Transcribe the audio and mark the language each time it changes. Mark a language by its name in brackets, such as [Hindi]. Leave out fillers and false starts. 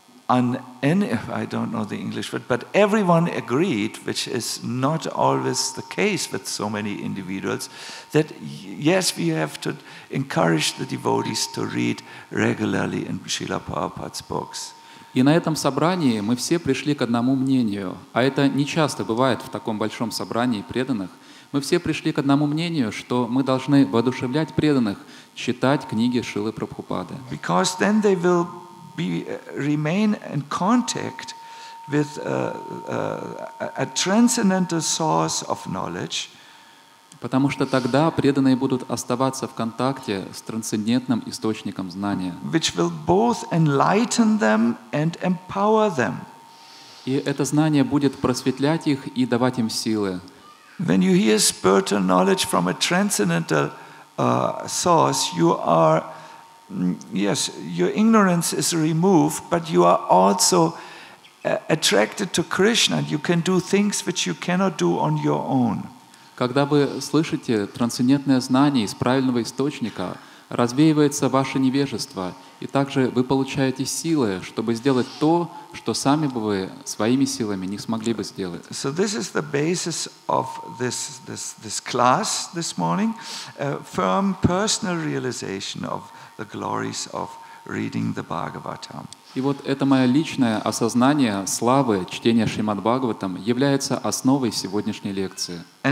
[English] And I don't know the English word, but everyone agreed, which is not always the case with so many individuals, that yes, we have to encourage the devotees to read regularly in Srila Prabhupada's books. [Russian] И на этом собрании мы все пришли к одному мнению, а это не часто бывает в таком большом собрании преданных, мы все пришли к одному мнению, что мы должны воодушевлять преданных читать книги Шрилы Прабхупады. [English] Because then they will remain in contact with a transcendental source of knowledge. [Russian] Потому что тогда преданные будут оставаться в контакте с трансцендентным источником знания. [English] Which will both enlighten them and empower them. [Russian] И это знание будет просветлять их и давать им силы. [English] When you hear spiritual knowledge from a transcendental source, you are yes, your ignorance is removed, but you are also attracted to Krishna. You can do things which you cannot do on your own. [Russian] Когда вы слышите трансцендентное знание из правильного источника, развеивается ваше невежество, и также вы получаете силы, чтобы сделать то, что сами бы вы своими силами не смогли бы сделать. [English] So this is the basis of this class this morning, a firm personal realization of the glories of reading the Bhagavatam. [Russian] И вот это мое личное осознание славы чтения Шримад Бхагаватам является основой сегодняшней лекции.